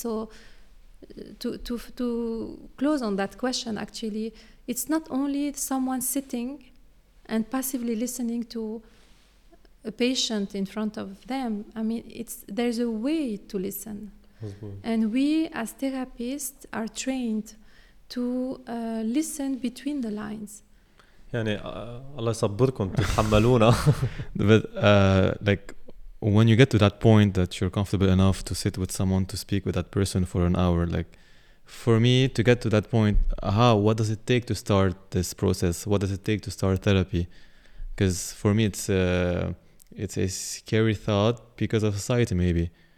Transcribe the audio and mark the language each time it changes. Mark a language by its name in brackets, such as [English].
[English] So to close on that question, actually, it's not only someone sitting and passively listening to a patient in front of them. I mean, there's a way to listen. And we as therapists are trained to listen between the lines. [Arabic] يعني الله يصبركم تحملونا. [English] But like, when you get to that point that you're comfortable enough to sit with someone to speak with that person for an hour, like, for me to get to that point, what does it take to start this process? What does it take to start therapy? Because for me, it's a scary thought because of society, maybe.